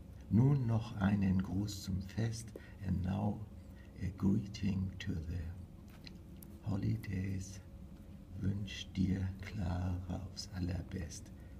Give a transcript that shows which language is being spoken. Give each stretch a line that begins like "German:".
German: Nun noch einen Gruß zum Fest.
English: And now a greeting to the holidays.
German: Wünsch dir Clara aufs Allerbest.